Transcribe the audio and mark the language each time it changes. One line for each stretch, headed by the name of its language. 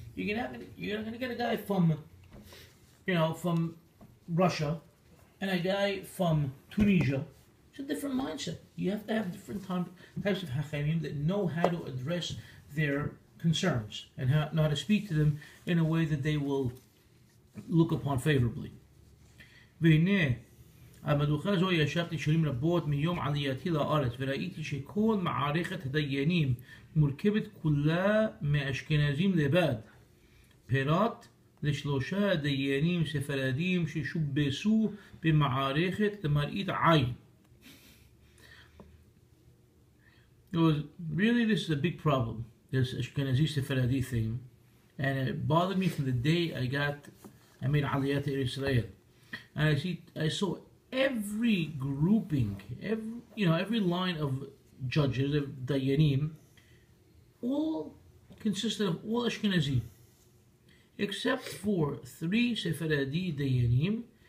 English: You're going to get a guy from, you know, from Russia and a guy from Tunisia. It's a different mindset. You have to have different types of Hachamim that know how to address their concerns and how to speak to them in a way that they will look upon favorably.
Hebrew: המדוכה הזו ישבתי שנים רבות מיום עלייתי לארץ וראיתי שכל מערכת הדיינים מורכבת כולה מאשכנזים לבד. פרט לשלושה דיינים ספרדים ששובסו במערכת למראית עין.
English: It was really, this is a big problem, this Ashkenazi Sephardi thing, and it bothered me from the day I made Aliyah to Israel. And I saw every grouping, every line of judges, of Dayanim, all consisted of all Ashkenazim, except for three Sephardi Dayanim.